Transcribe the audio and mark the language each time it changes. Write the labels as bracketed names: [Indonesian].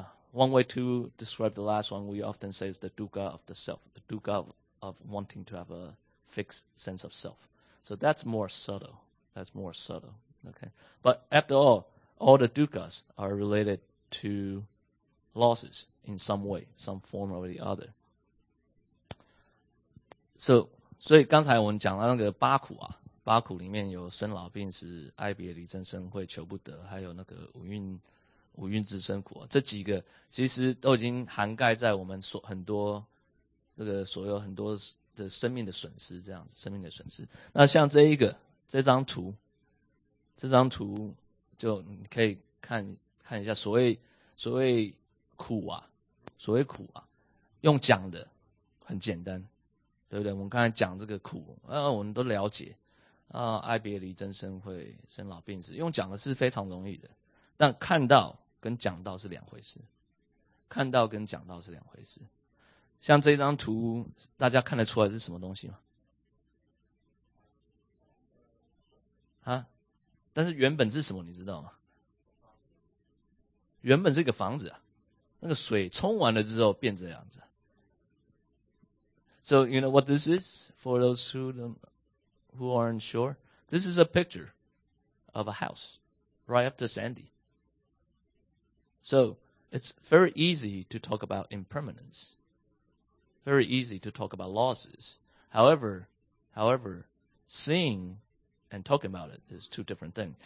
[English] One way to describe the last one, we often say, is the dukkha of the self, the dukkha of wanting to have a fixed sense of self. So that's more subtle. That's more subtle. Okay. But after all the dukkhas are related to losses in some way, some form or the other. [Chinese] So, 所以刚才我们讲到那个八苦啊，八苦里面有生老病死、爱别离、憎生会、求不得，还有那个五蕴之生苦、啊、这几个其实都已经涵盖在我们所很多这个所有很多的生命的损失这样子生命的损失。那像这一个这张图就你可以看一下所谓苦啊所谓苦啊用讲的很简单对不对我们刚才讲这个苦我们都了解爱别离憎生会生老病死用讲的是非常容易的。但看到跟讲到是两回事，看到跟讲到是两回事。像这张图，大家看得出来是什么东西吗？啊？但是原本是什么，你知道吗？原本是一个房子啊，那个水冲完了之后变这样子。 [English] So you know what this is for those who aren't sure? This is a picture of a house right up to Sandy. So, it's very easy to talk about impermanence. Very easy to talk about losses. However, seeing and talking about it is two different things.